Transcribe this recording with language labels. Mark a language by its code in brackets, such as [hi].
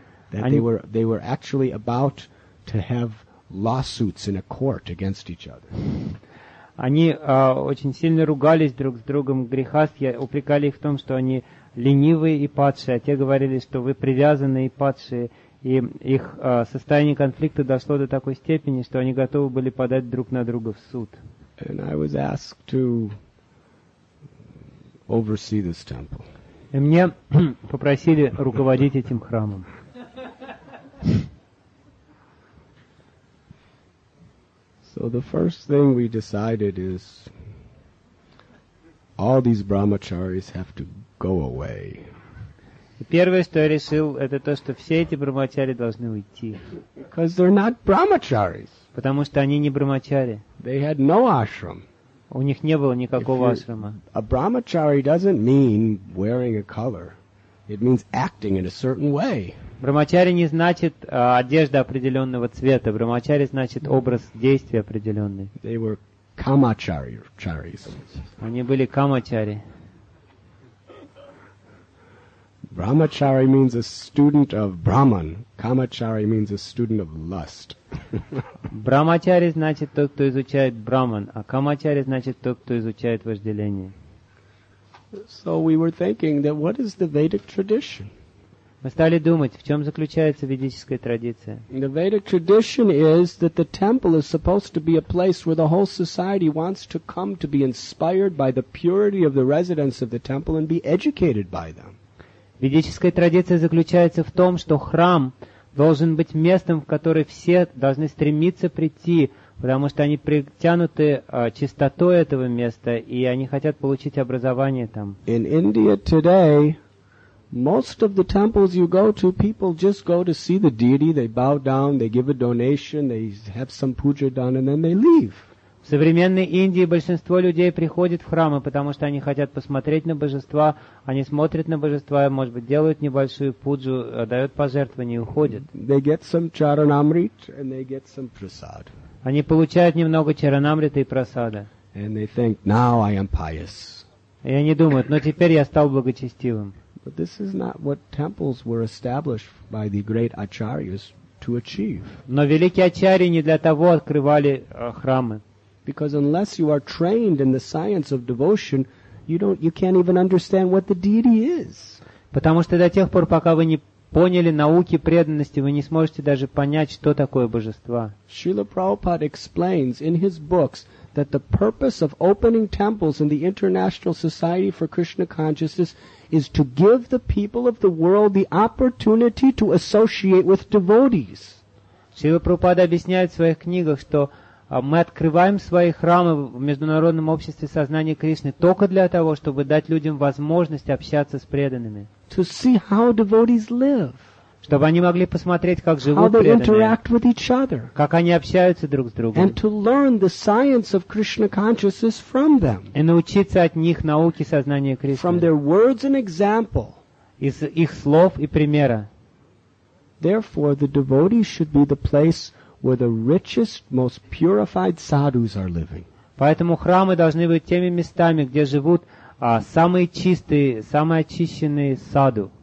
[en] They were actually about to have lawsuits in a court against each other. [ru] Они очень сильно ругались друг с другом. Грехасты упрекали их в том, что они ленивые и падшие. А те говорили, что вы привязанные и падшие. И их состояние конфликта дошло до такой степени, что они готовы были подать друг на друга в суд. [en] And I was asked to oversee this temple. [ru] И мне попросили руководить этим храмом. [en] So the first thing we decided is all these brahmacharis have to go away. [ru] Первое, что я решил, это то, что все эти брахмачари должны уйти. [en] Because they're not brahmacharis. [ru] Потому что они не брахмачари. [en] They had no ashram. [ru] У них не было никакого ашрама. [en] A brahmachari doesn't mean wearing a color. It means acting in a certain way. [ru] Брахмачари не значит одежда определенного цвета. Брахмачари значит образ действия определенный. [en] They were kamacharis. [ru] Они были камачари. [en] Brahmachari means a student of Brahman. Kamachari means a student of lust. [ru] Брахмачари значит тот, кто изучает Брахман, а камачари значит тот, кто изучает вожделение. [en] So we were thinking that what is the Vedic tradition? [ru] Мы стали думать, в чем заключается ведическая традиция. [en] The Vedic tradition is that the temple is supposed to be a place where the whole society wants to come to be inspired by the purity of the residents of the temple and be educated by them. [ru] Ведическая традиция заключается в том, что храм должен быть местом, в которое все должны стремиться прийти, потому что они притянуты чистотой этого места, и они хотят получить образование там. [en] In India today, most of the temples you go to, people just go to see the deity, they bow down, they give a donation, they have some puja done, and then they leave. [ru] В современной Индии большинство людей приходит в храмы, потому что они хотят посмотреть на божества, они смотрят на божества, может быть, делают небольшую пуджу, дают пожертвования и уходят. [en] They get some charanamrit and they get some prasad. [ru] Они получают немного чаранамрита и прасада. [en] And they think, now I am pious. [ru] И они думают, но теперь я стал благочестивым. [en] But this is not what temples were established by the great acharyas to achieve. [ru] Но великие ачарьи не для того открывали храмы. [en] Because unless you are trained in the science of devotion, you can't even understand what the deity is. [ru] Потому что до тех пор, пока вы не поняли науки преданности, вы не сможете даже понять, что такое божество. [en] Шрила Прабхупада explains in his books that the purpose of opening temples in the International Society for Krishna Consciousness is to give the people of the world the opportunity to associate with devotees. [ru] Шрила Прабхупада объясняет в своих книгах, что мы открываем свои храмы в Международном обществе сознания Кришны только для того, чтобы дать людям возможность общаться с преданными. [en] To see how devotees live. [ru] Чтобы они могли посмотреть, как живут преданные. [en] How they interact with each other. [ru] Как они общаются друг с другом. [en] And to learn the science of Krishna consciousness from them. [ru] И научиться от них науке сознания Кришны. [en] From their words and example. [ru] Из их слов и примера. [en] Therefore, the devotee should be the place where the richest, most purified sadhus are living. [ru] Поэтому храмы должны быть теми местами, где живут самые чистые, самые очищенные саду.